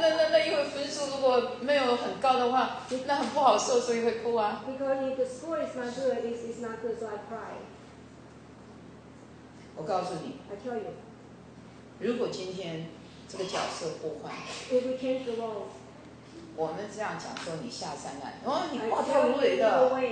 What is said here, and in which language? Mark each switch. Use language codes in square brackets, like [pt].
[zh] 那因为分数如果没有很高的话，那很不好受，所以会哭啊。 [en] Because if the score is not good, this is not good, so I cry. [zh] 我告诉你。 [en] I tell you. [zh] 如果今天这个角色互换。 [en] If we change the role. [zh] 我们这样讲说你下三滥，哦，你哇太无理了。